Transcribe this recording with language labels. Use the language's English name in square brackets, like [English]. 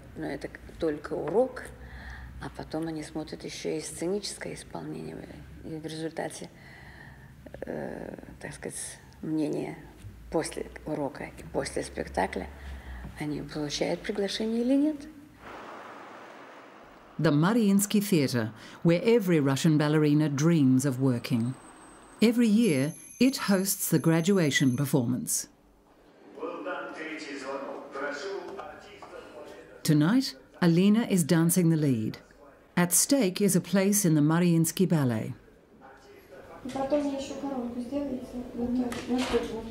[Russian] Но это только урок, а потом они смотрят еще и сценическое исполнение. И в результате, так сказать, мнение после урока и после спектакля, они получают приглашение или нет. [English] The Mariinsky Theatre, where every Russian ballerina dreams of working. Every year, it hosts the graduation performance. Tonight, Alina is dancing the lead. At stake is a place in the Mariinsky Ballet. [Russian] Потом мне еще коробку сделайте.